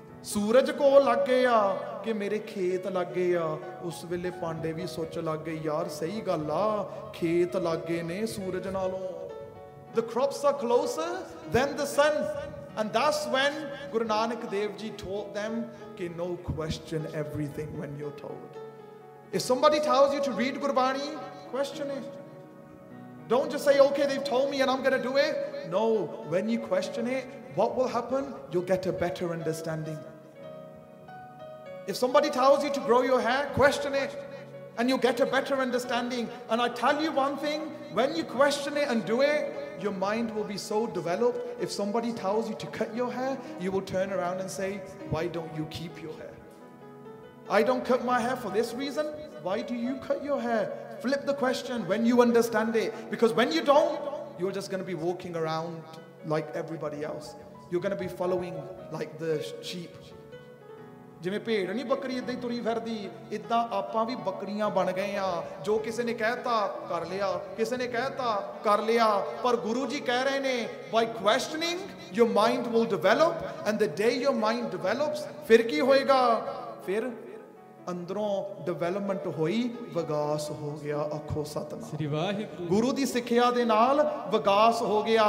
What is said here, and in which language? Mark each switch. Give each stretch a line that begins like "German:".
Punjabi: ਸੂਰਜ ਕੋਲ ਲੱਗ ਗਏ ਆ ਕਿ ਮੇਰੇ ਖੇਤ ਲੱਗ ਗਏ ਆ ਉਸ ਵੇਲੇ ਪਾਂਡੇ ਵੀ ਸੋਚ ਲੱਗ ਗਏ ਯਾਰ ਸਹੀ ਗੱਲ ਆ ਖੇਤ ਲੱਗ ਗਏ ਨੇ ਸੂਰਜ ਨਾਲੋਂ
English: The crops are closer than the sun and that's when Guru Nanak Dev ji told them ਕਿ no question everything when you are told if somebody tells you to read Gurbani question it Don't just say, okay, they've told me and I'm going to do it. No, when you question it, what will happen? You'll get a better understanding. If somebody tells you to grow your hair, question it. And you'll get a better understanding. And I tell you one thing, when you question it and do it, your mind will be so developed. If somebody tells you to cut your hair, you will turn around and say, why don't you keep your hair? I don't cut my hair for this reason. Why do you cut your hair? Flip the question when you understand it. Because when you don't, you're just going to be walking around like everybody else. You're going to be following like the sheep.
Punjabi: ਜਿਵੇਂ ਭੇਡ ਨਹੀਂ ਬੱਕਰੀ ਇੱਦਾਂ ਹੀ ਤੁਰੀ ਫਿਰਦੀ ਇੱਦਾਂ ਆਪਾਂ ਵੀ ਬੱਕਰੀਆਂ ਬਣ ਗਏ ਹਾਂ ਜੋ ਕਿਸੇ ਨੇ ਕਹਿਤਾ ਕਰ ਲਿਆ ਕਿਸੇ ਨੇ ਕਹਿਤਾ ਕਰ ਲਿਆ ਪਰ ਗੁਰੂ ਜੀ ਕਹਿ ਰਹੇ ਨੇ
English: by questioning your mind will develop and the day your mind develops
Punjabi: ਫਿਰ ਕੀ ਹੋਏਗਾ ਫਿਰ ਅੰਦਰੋਂ ਡਿਵੈਲਪਮੈਂਟ ਹੋਈ ਵਿਗਾਸ ਹੋ ਗਿਆ ਅੱਖੋ ਸਤਨਾਮ ਸ੍ਰੀ ਵਾਹਿਗੁਰੂ ਗੁਰੂ ਦੀ ਸਿੱਖਿਆ ਦੇ ਨਾਲ ਵਿਗਾਸ ਹੋ ਗਿਆ